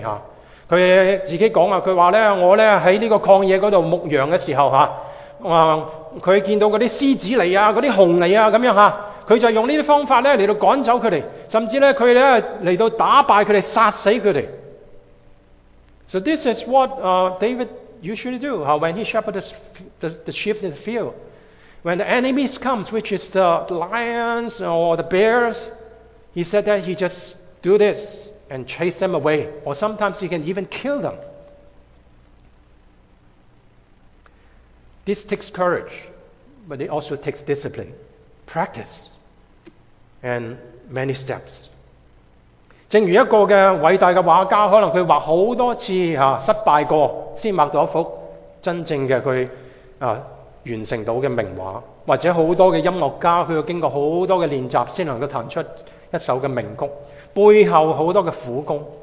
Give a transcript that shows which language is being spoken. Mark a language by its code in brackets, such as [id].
[zh] 他自己说，他说我在这个旷野那里牧羊的时候，他见到那些狮子来啊，那些熊来啊，这样。他就用这些方法来赶走他们，甚至他来到打败他们，杀死他们。 [en] So this is what David usually do when he shepherds the sheep in the field. When the enemies come, which is the lions or the bears, he said that he just do this and chase them away. Or sometimes he can even kill them. This takes courage, but it also takes discipline, practice, and many steps. [zh] 正如一个的伟大的画家，可能他画很多次失败过才画到一幅真正的他完成到的名画，或者很多的音乐家他要经过很多的练习才能够弹出一首的名曲，背后很多的苦功。